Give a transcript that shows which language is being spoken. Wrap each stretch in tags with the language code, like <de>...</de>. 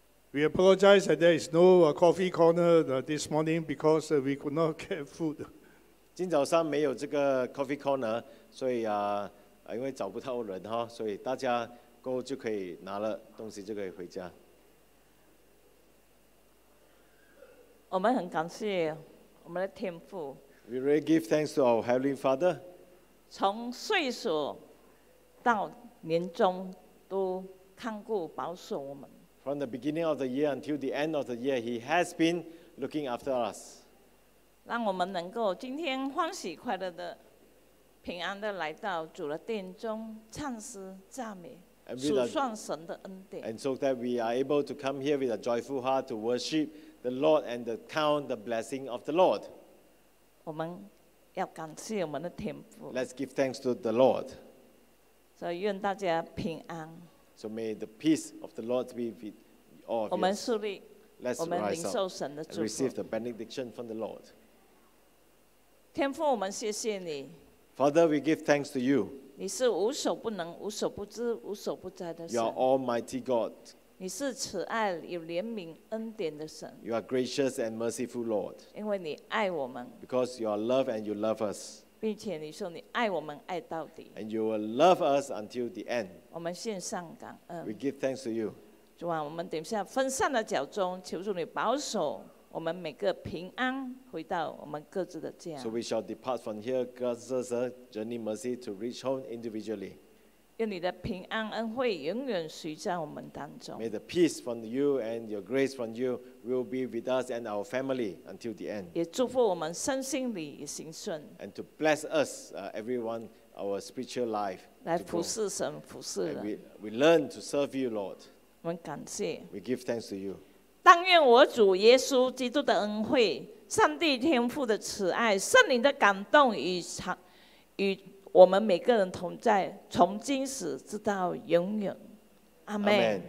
<en>We apologize that there is no coffee corner this morning because we could not get food.</en> <zh>今早上没有这个 coffee corner, 所以因为找不到人哈，所以大家过后就可以拿了东西就可以回家。我们很感谢我们的天父。</zh> <en>We really give thanks to our Heavenly Father.</en> <zh>从岁数到年终都看顾保守我们。</zh> <en>From the beginning of the year until the end of the year, He has been looking after us.</en> <zh>让我们能够今天欢喜快乐的、平安的来到主的殿中，唱诗赞美，数算神的恩典。</zh> <en>And so that we are able to come here with a joyful heart to worship. The Lord and the count the blessing of the Lord.</en> <zh>我们要感谢我们的天父。</zh> <en>Let's give thanks to the Lord.</en> <zh>所以愿大家平安。</zh> <en>So may the peace of the Lord be with all of</en> <zh>我们树立</zh> <en>Let's</en> <zh>我们领受神的祝福</zh> <en>Receive the benediction from the Lord</en> <zh>天父我们谢谢你</zh> <en>Father we give thanks to you</en> <zh>你是无所不能无所不知无所不在的神</zh> <en>You are almighty God</en> <zh>你是慈爱有怜悯恩典的神</zh> <en>You are gracious and merciful Lord</en> <zh>因为你爱我们</zh> <en>Because you are love and you love us</en> <zh>并且你说你爱我们爱到底</zh> <en>And you will love us until the end</en> <zh>我们献上感恩</zh> <en>We give thanks to you</en> <zh>主啊我们等一下分散的脚中求主你保守我们每个平安回到我们各自的家</zh> <en>So we shall depart from here God's journey mercy to reach home individually</en> <zh>愿你的平安恩惠永远随在我们当中</zh> <en>May the peace from you and your grace from you will be with us and our family until the end</en> <zh>也祝福我们身心里也行顺</zh> <en>And to bless us, everyone, our spiritual life</en> <zh>来服侍神服侍人</zh> <en>we learn to serve you, Lord</en> <zh>我们感谢</zh> <en>We give thanks to you</en> <zh>但愿我主耶稣基督的恩惠上帝天父的慈爱圣灵的感动 与我们每个人同在从今时直到永远阿们</zh>